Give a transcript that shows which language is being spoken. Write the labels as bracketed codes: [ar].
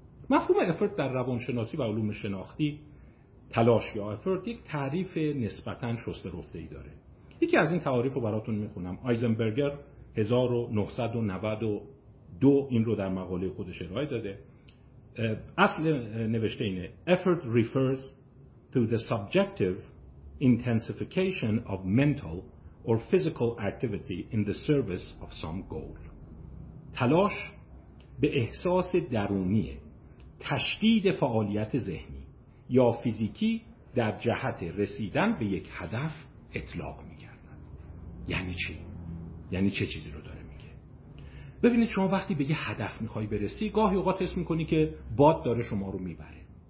[fa] مفهوم افرت در روانشناسی و علوم شناختی، تلاش یا افرت، یک تعریف نسبتاً شسته رفته‌ای داره. یکی از این تعاریف رو براتون می‌خونم. آیزنبرگر 1992 این رو در مقاله خودش ارائه داده. اصل نوشته اینه: [en] Effort refers to the subjective intensification of mental or physical activity in the service of some goal. [fa] تلاش به احساس درونیه، تشدید فعالیت ذهنی یا فیزیکی در جهت رسیدن به یک هدف اطلاق می‌گردد. یعنی چی؟ یعنی چه چیزی رو داره میگه؟ ببینید، شما وقتی به یه هدف می‌خوای برسی، گاهی اوقات حس می‌کنی که باد داره شما رو می‌بره.